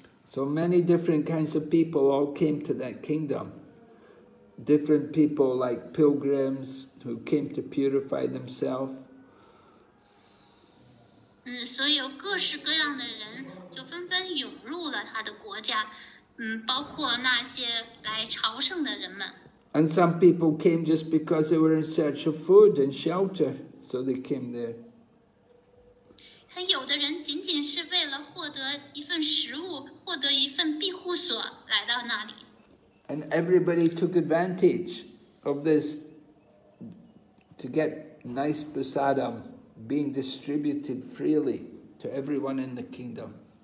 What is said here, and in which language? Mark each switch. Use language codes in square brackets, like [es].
[en] So many different kinds of people all came to that kingdom. Different people like pilgrims who came to purify themselves. [zh] 所有各式各样的人就纷纷涌入了他的国家，包括那些来朝圣的人们。 [en] And some people came just because they were in search of food and shelter, so they came there. [zh] 有的人仅仅是为了获得一份食物，获得一份庇护所来到那里。 [en] And everybody took advantage of this to get nice prasadam being distributed freely to everyone in the kingdom.